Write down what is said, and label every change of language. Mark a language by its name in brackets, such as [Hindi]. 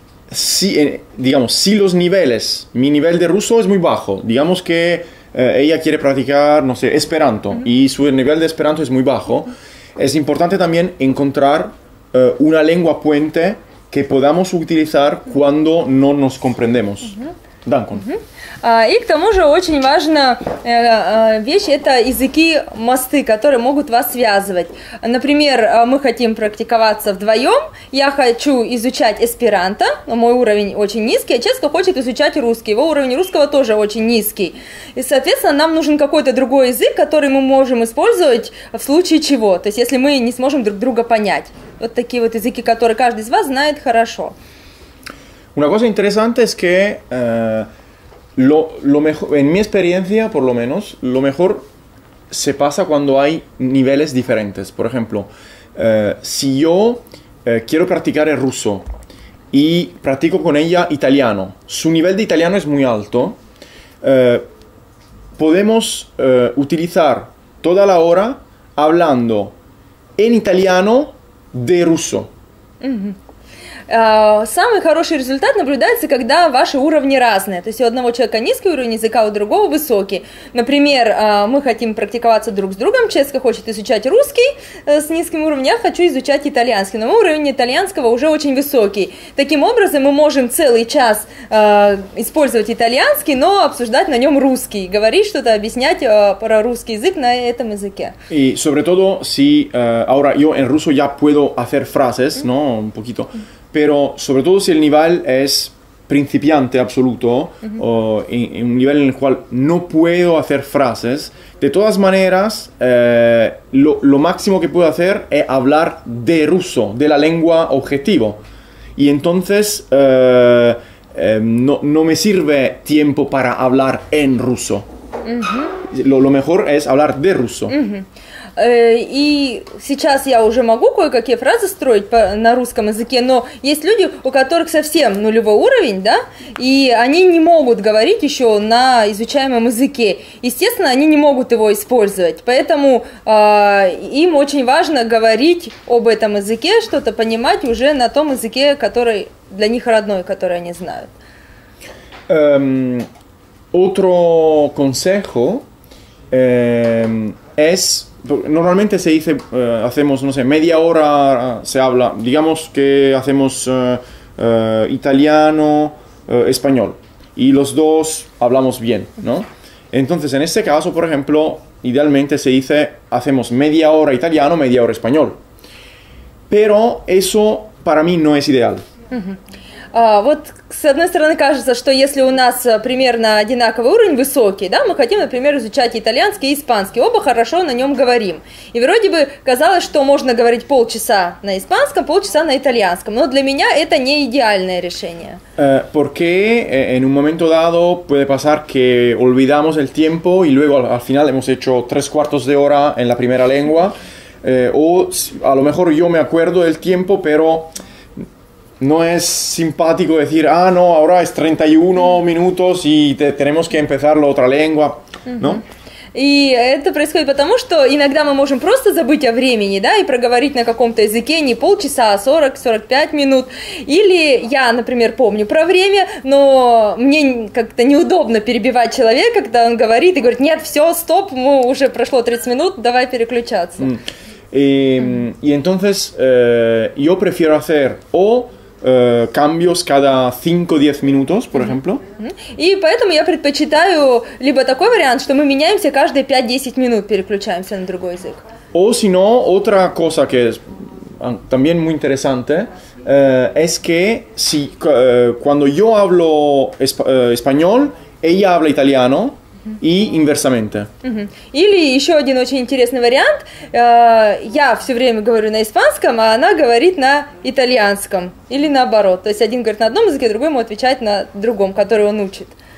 [Spanish] Si los niveles, mi nivel de ruso es muy bajo, digamos que ella quiere practicar, no sé, esperanto, y su nivel de esperanto es muy bajo, es importante también encontrar una lengua puente que podamos utilizar cuando no nos comprendemos. [Esperanto] Данкон. [Russian] И к тому же очень важна вещь – это языки-мосты, которые могут вас связывать. Например, мы хотим практиковаться вдвоем, я хочу изучать эсперанто, мой уровень очень низкий, а Ческо хочет изучать русский, его уровень русского тоже очень низкий. И, соответственно, нам нужен какой-то другой язык, который мы можем использовать в случае чего, то есть если мы не сможем друг друга понять. Вот такие вот языки, которые каждый из вас знает хорошо. [Spanish] Una cosa interesante es que en mi experiencia, por lo menos, lo mejor se pasa cuando hay niveles diferentes. Por ejemplo, si yo quiero practicar el ruso y practico con ella italiano, su nivel de italiano es muy alto, podemos utilizar toda la hora hablando en italiano de ruso. [Russian] Самый хороший результат наблюдается, когда ваши уровни разные. То есть у одного человека низкий уровень языка, у другого высокий. Например, мы хотим практиковаться друг с другом. Ческо хочет изучать русский с низким уровнем, я хочу изучать итальянский. Но мой уровень итальянского уже очень высокий. Таким образом, мы можем целый час использовать итальянский, но обсуждать на нем русский. Говорить что-то, объяснять про русский язык на этом языке. И, [Spanish] sobre todo, si ahora yo en ruso ya puedo hacer frases, ¿no? Un poquito... Pero sobre todo si el nivel es principiante absoluto, o en un nivel en el cual no puedo hacer frases, de todas maneras, lo máximo que puedo hacer es hablar de ruso, de la lengua objetivo. Y entonces no me sirve tiempo para hablar en ruso. Lo mejor es hablar de ruso. [Russian] И сейчас я уже могу кое-какие фразы строить на русском языке, но есть люди, у которых совсем нулевой уровень, да, и они не могут говорить еще на изучаемом языке. Естественно, они не могут его использовать, поэтому им очень важно говорить об этом языке, что-то понимать уже на том языке, который для них родной, который они знают. [Spanish] Otro consejo es... Normalmente se dice, hacemos, no sé, media hora se habla, digamos que hacemos italiano, español, y los dos hablamos bien, ¿no? Entonces, en este caso, por ejemplo, idealmente se dice, hacemos media hora italiano, media hora español. Pero eso para mí no es ideal. [Russian] Вот, с одной стороны, кажется, что если у нас примерно одинаковый уровень, высокий, да, мы хотим, например, изучать итальянский и испанский, оба хорошо на нем говорим. И вроде бы казалось, что можно говорить полчаса на испанском, полчаса на итальянском, но для меня это не идеальное решение. [Spanish] Porque en un momento dado puede pasar que olvidamos el tiempo y luego al final hemos hecho tres cuartos de hora en la primera lengua, o a lo mejor yo me acuerdo del tiempo, pero... No es simpático decir, ah, no, ahora es 31 minutos y tenemos que empezar la otra lengua, ¿no? [Russian] И это происходит потому, что иногда мы можем просто забыть о времени, да, и проговорить на каком-то языке не полчаса, а 40-45 минут. Или я, например, помню про время, но мне как-то неудобно перебивать человека, когда он говорит и говорит, нет, все, стоп, мы уже прошло 30 минут, давай переключаться. [Spanish] Y entonces yo prefiero hacer o... cambios cada 5-10 minutos, por ejemplo. [Russian] И поэтому я предпочитаю либо такой вариант, что мы меняемся каждые 5-10 минут, переключаемся на другой язык. [Spanish] O si no, otra cosa que es también muy interesante es que si cuando yo hablo español, ella habla italiano, и инверсаменте. [Russian] Или еще один очень интересный вариант. Я все время говорю на испанском, а она говорит на итальянском. Или наоборот. То есть один говорит на одном языке, другой ему отвечает на другом, который он учит.